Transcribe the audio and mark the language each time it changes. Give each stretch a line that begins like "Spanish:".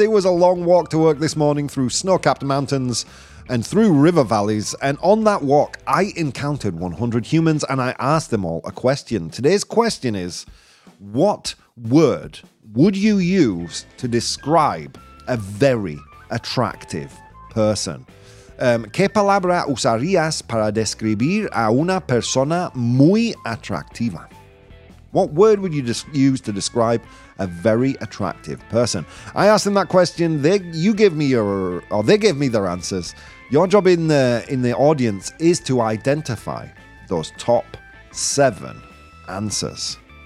English: It was a long walk to work this morning through snow-capped mountains and through river valleys. And on that walk, I encountered 100 humans and I asked them all a question. Today's question is, what word would you use to describe a very attractive person?
Spanish: ¿Qué palabra usarías para describir a una persona muy atractiva?
English: What word would you use to describe a very attractive person? I asked them that question. They gave me their answers. Your job in the audience is to identify those top seven answers.